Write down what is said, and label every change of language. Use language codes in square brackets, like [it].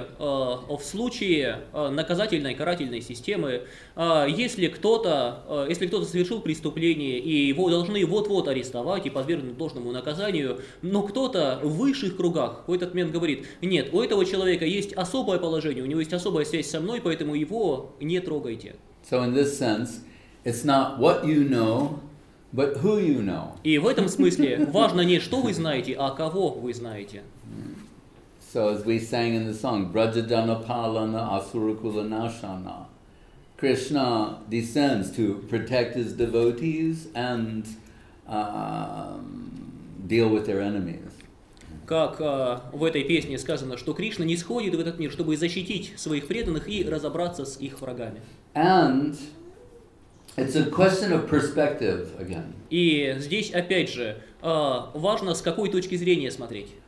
[ru] И в случае наказательной, карательной системы, если кто-то совершил преступление, и его должны вот-вот арестовать и подвергнуть должному наказанию, но кто-то в высших кругах в этот момент говорит: нет, у этого человека есть особое положение, у него есть особая связь со мной, поэтому его не трогайте. [en] So in this sense, it's not what you know, but who you know. [ru] И в этом смысле важно не что вы знаете, а кого вы знаете. [en] So as we sang in the song, [sa] Brajadanapalana Asurukula Nashana, [en] Krishna descends to protect his devotees and deal with their enemies. [ru] Как в этой песне сказано, что Кришна нисходит в этот мир, чтобы защитить своих преданных и разобраться с их врагами. [en] And it's a question of perspective again. [ru] И здесь опять же важно, с какой точки зрения смотреть.